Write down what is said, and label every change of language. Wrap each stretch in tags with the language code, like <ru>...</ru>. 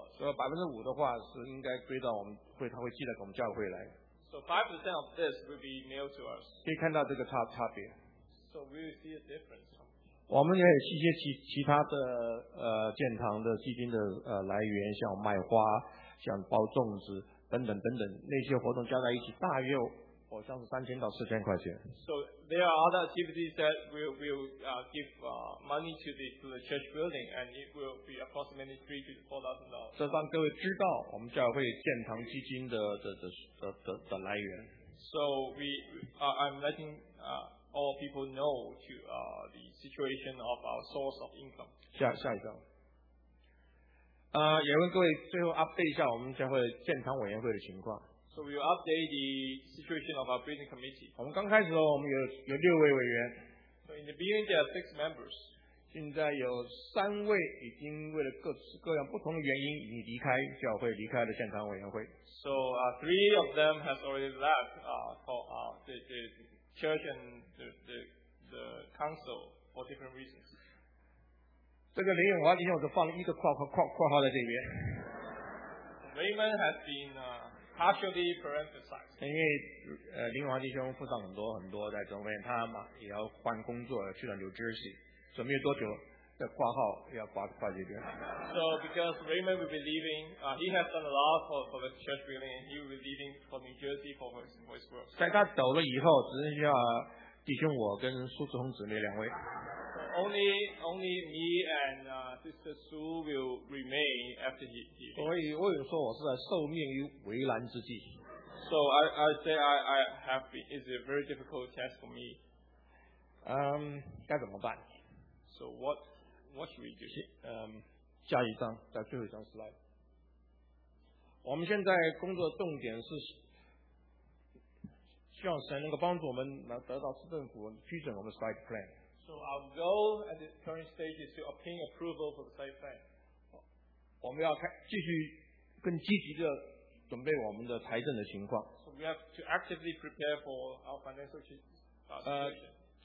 <zh>所以5%的话是应该归到我们会，他会寄到我们教会来。</zh> <en>So 5% of this will be mailed to us.</en> <zh>可以看到这个差别。</zh> <en>So we will see a difference.</en> <zh>我们也有一些其他的建堂的基金的来源，像卖花、像包粽子等等等等，那些活动加在一起，大约好像是3,000到4,000块钱。</zh> <en>So there are other activities that will give money to the church building, and it will be approximately $3,000 to $4,000.</en> <zh>这让各位知道我们教会建堂基金的来源。</zh> <en>So I'm letting all people know to the situation of our source of income.</en> <zh>下一张。也问各位最后 update 一下我们教会建堂委员会的情况。</zh> <en>So we will update the situation of our building committee.</en> <zh>我们刚开始的时候，我们有六位委员。</zh> <en>So in the beginning, there are six members.</en> <zh>现在有三位已经为了各式各样不同的原因，已经离开教会，离开了建堂委员会。</zh> <en>So three of them has already left. For the church and the council for different reasons.</en> <zh>这个林永华今天我就放了一个括号在这边。</zh> <en>Raymond has been partially parenthesized.</en> <zh>因为林永华弟兄付上很多在中间，他嘛也要换工作，去了 New Jersey， 所以没有多久的挂号要挂这边。</zh> <en>So because Raymond will be leaving, he has done a lot for the church building, and he will be leaving for New Jersey for his work.</en> <zh>在他走了以后，只剩下弟兄我跟苏志宏姊妹两位。</zh> <en>Only me and Sister Sue will remain after he leaves.</en> <zh>所以我有说我是在受命于危难之际。</zh> <en>So I say I have been. It's a very difficult task for me.</en> <zh>该怎么办</zh> <en>？So what should we do?</en> <zh>下一张，在最后一张 slide。我们现在工作重点是希望神能够帮助我们来得到市政府批准我们 site plan。</zh> <en>So our goal at this current stage is to obtain approval for the site plan.</en> <zh>我们要继续更积极的准备我们的财政的情况。</zh> <en>So we have to actively prepare for our financial situation.</en>